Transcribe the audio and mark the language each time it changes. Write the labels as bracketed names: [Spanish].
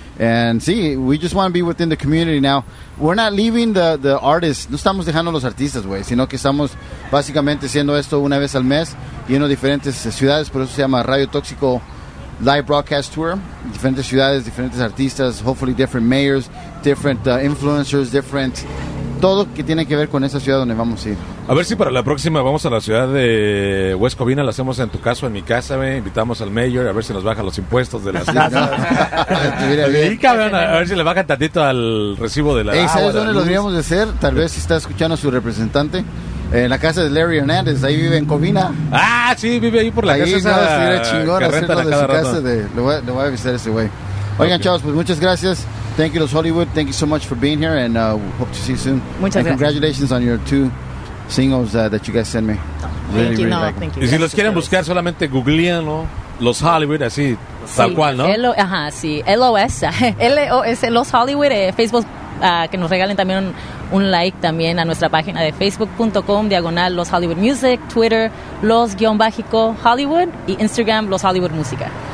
[English] And sí, we just want to be within the community now. We're not leaving the artists. [Spanish] No estamos dejando a los artistas, güey, sino que estamos básicamente haciendo esto una vez al mes y en diferentes ciudades. Por eso se llama Radio Tóxico Live Broadcast Tour, diferentes ciudades, diferentes artistas, [English] hopefully different mayors, different influencers, different, [Spanish] todo que tiene que ver con esa ciudad donde vamos a ir. A ver si para la próxima vamos a la ciudad de West Covina, la hacemos en tu casa, en mi casa, ¿ve? Invitamos al mayor, a ver si nos baja los impuestos de las cabrón, a ver si le bajan tantito al recibo de la agua. ¿Sabes dónde lo deberíamos de hacer? Tal vez si está escuchando a su representante. En la casa de Larry Hernández, ahí vive en Covina. Ah, sí, vive ahí por la ahí, casa. Ahí va a ser chingón hacerlo de su rato. Casa. Le voy a avisar a ese güey. Oigan, okay. Chavos, pues muchas gracias. [English] Thank you to Hollywood. Thank you so much for being here. And hope to see you soon. [Spanish] Muchas [English] and [Spanish] gracias. [English] Congratulations on your two singles that you guys sent me. Really, thank you. Really no, like thank you. [Spanish] Y si los quieren buscar, solamente googleen, ¿no? Los Hollywood, así, sí, tal cual, ¿no? Ajá, sí. LOS. LOS, Los Hollywood, Facebook. Que nos regalen también un like también a nuestra página de facebook.com/ Los Hollywood Music, Twitter Los_Hollywood y Instagram Los Hollywood Música.